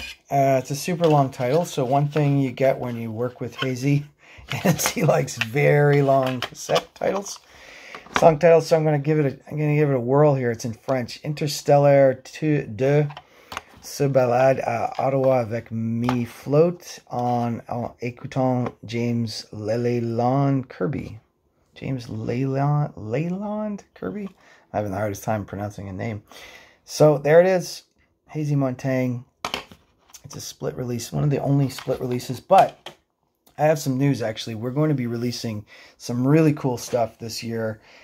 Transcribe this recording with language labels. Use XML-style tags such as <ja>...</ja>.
<en>It's a super long title, so one thing you get when you work with Hazy. And he likes very long cassette titles, song titles. So I'm gonna give it a whirl here. It's in French.</en> <fr>Interstellar de se balade à Ottawa avec me flotte en écoutant James Leyland Kirby.</fr> <en>James Leyland Kirby. I'm having the hardest time pronouncing a name. So there it is, Hazy Montagne. It's a split release, one of the only split releases, but I have some news actually. We're going to be releasing some really cool stuff this year.</en>